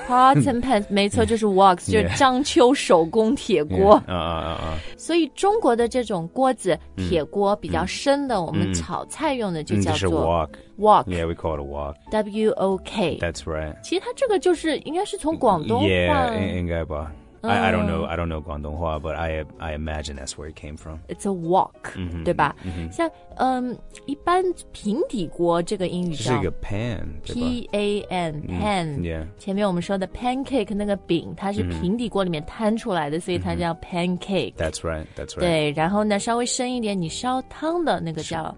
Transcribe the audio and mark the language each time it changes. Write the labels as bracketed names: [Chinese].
[English] pots and pans， [Chinese] 没错，就是 woks， 就是章丘手工铁锅，啊啊啊啊，所以中国的这种锅子，铁锅比较深的，我们炒菜用的就叫做 [English] wok。 Walk. Yeah, we call it a walk. W-O-K. That's right. [Chinese] 其实它这个就是应该是从广东话。 [English] Yeah, [Chinese] 应该吧。 [English] I don't know. I don't know 广东话, but I imagine that's where it came from. It's a walk,、 mm-hmm, [Chinese] 对吧、 mm-hmm. 像一般平底锅这个英语叫。是一个 pan, 对吧 [English] P-A-N, pan.、 Mm-hmm, yeah. [Chinese] 前面我们说的 pancake 那个饼它是平底锅里面摊出来的、mm-hmm. 所以它叫 pancake.、Mm-hmm. [English] That's right, that's right. [Chinese] 对然后呢稍微深一点你烧汤的那个叫。